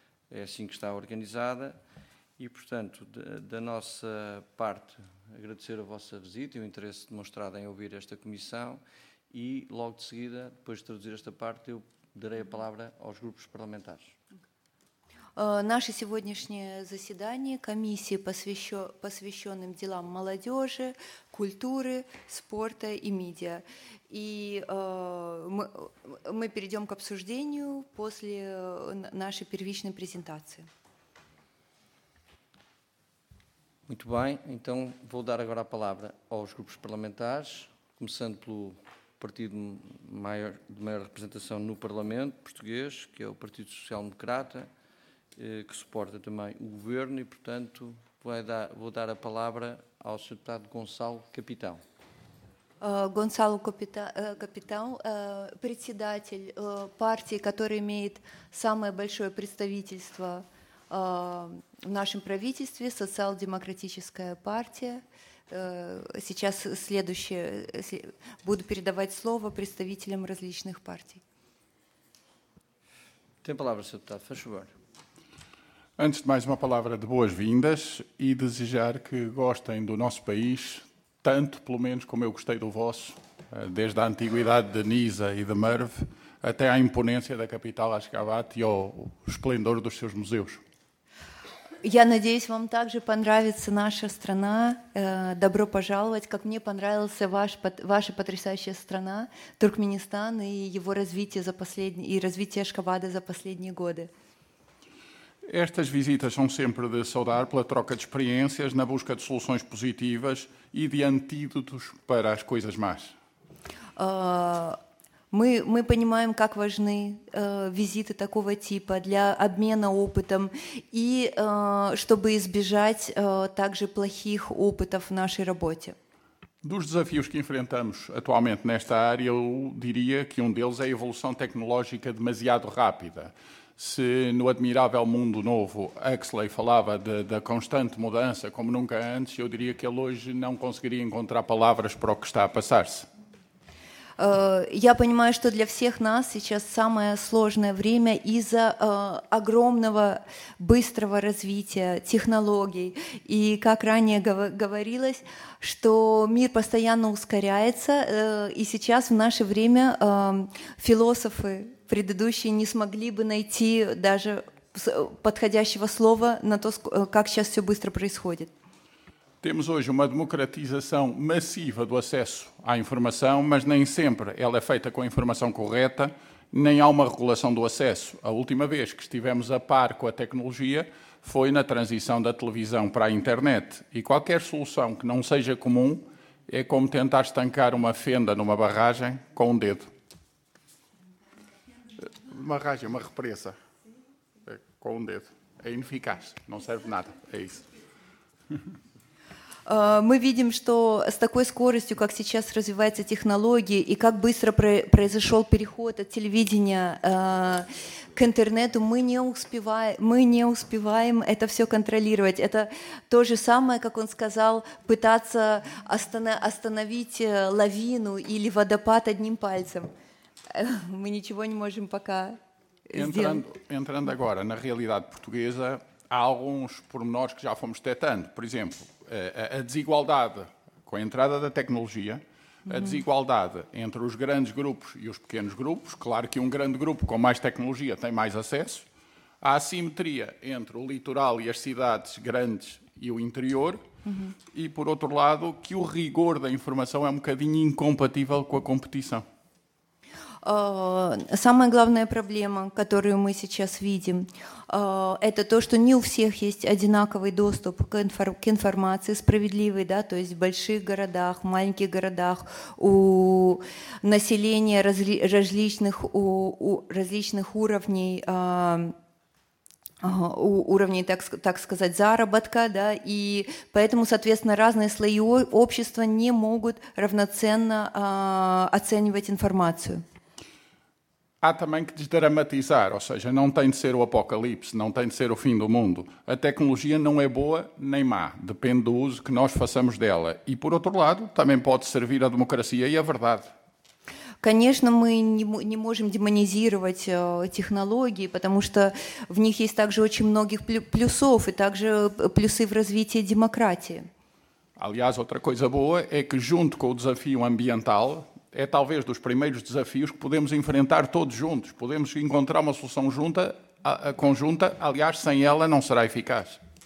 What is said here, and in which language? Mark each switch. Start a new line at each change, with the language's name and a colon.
Portuguese: É assim que está organizada. E, portanto, da nossa parte, agradecer a vossa visita e o interesse demonstrado em ouvir esta comissão. E, logo de seguida, depois de traduzir esta parte, eu darei a palavra aos grupos parlamentares.
Russian: Наше сегодняшнее заседание комиссии, посвященным делам молодежи, культуры, спорта и медиа. И мы перейдем к обсуждению после нашей первичной презентации.
Portuguese: Muito bem, então vou dar agora a palavra aos grupos parlamentares, começando pelo partido de maior representação no Parlamento português, que é o Partido Social Democrata, que suporta também o governo, e, portanto, vou dar a palavra ao Sr. Deputado Gonçalo Capitão.
Russian: Gonçalo Capitão, председатель партии, которая имеет самое большое представительство в нашем правительстве, социал-демократическая партия. Сейчас следующее, буду передавать слово представителям различных партий.
Portuguese: Tem a palavra, Sr. Deputado, faz favor. Antes de mais, uma palavra de boas-vindas e desejar que gostem do nosso país, tanto, pelo menos, como eu gostei do vosso, desde a antiguidade de Nisa e de Merv, até à imponência da capital Ashgabat e ao esplendor dos seus museus.
Russian: Я надеюсь, вам также понравится наша страна. Добро пожаловать, как мне понравился ваша потрясающая страна, Туркменистан, и его развитие Ашгабада за последние годы.
Portuguese: Estas visitas são sempre de saudar pela troca de experiências na busca de soluções positivas e de antídotos para as coisas más.
Russian: Мы понимаем, как важны визиты такого типа для обмена опытом и чтобы избежать также плохих опытов в нашей работе.
Portuguese: Dos desafios que enfrentamos atualmente nesta área, eu diria que deles é a evolução tecnológica demasiado rápida. Se no admirável mundo novo Huxley falava da constante mudança como nunca antes, eu diria que ele hoje não conseguiria encontrar palavras para o que está a passar-se.
Russian: Я понимаю, что для всех нас сейчас самое сложное время из-за огромного быстрого развития технологий. И как ранее говорилось, что мир постоянно ускоряется, и сейчас в наше время философы предыдущие не смогли бы найти даже подходящего слова на то, как сейчас все быстро происходит.
Portuguese: Temos hoje uma democratização massiva do acesso à informação, mas nem sempre ela é feita com a informação correta, nem há uma regulação do acesso. A última vez que estivemos a par com a tecnologia foi na transição da televisão para a internet. E qualquer solução que não seja comum é como tentar estancar uma fenda numa barragem com um dedo. Barragem, uma represa. Com um dedo. É ineficaz. Não serve nada. É isso.
Russian: Мы видим, что с такой скоростью, как сейчас развиваются технологии, и как быстро произошел переход от телевидения к интернету, мы не успеваем это все контролировать. Это то же самое, как он сказал, пытаться остановить лавину или водопад одним пальцем. Мы ничего не можем пока сделать.
Portuguese: Entrando agora na realidade portuguesa, há alguns pormenores que já fomos detectando. Por exemplo, a desigualdade com a entrada da tecnologia, a desigualdade entre os grandes grupos e os pequenos grupos, claro que um grande grupo com mais tecnologia tem mais acesso, a assimetria entre o litoral e as cidades grandes e o interior, e por outro lado, que o rigor da informação é um bocadinho incompatível com a competição.
Russian: Самая главная проблема, которую мы сейчас видим, это то, что не у всех есть одинаковый доступ к информации, справедливый, да, то есть в больших городах, в маленьких городах, у населения различных уровней, уровней, так сказать, заработка, да, и поэтому, соответственно, разные слои общества не могут равноценно оценивать информацию.
Portuguese: Há também que desdramatizar, ou seja, não tem de ser o apocalipse, não tem de ser o fim do mundo. A tecnologia não é boa nem má, depende do uso que nós façamos dela. E, por outro lado, também pode servir à democracia e à verdade.
Russian: Конечно, мы не можем демонизировать технологии, потому что в них есть также очень многих плюсов и также плюсы в развитии демократии.
Portuguese: Aliás, outra coisa boa é que, junto com o desafio ambiental, é talvez dos primeiros desafios que podemos enfrentar todos juntos. Podemos encontrar uma solução conjunta, aliás, sem ela não será eficaz.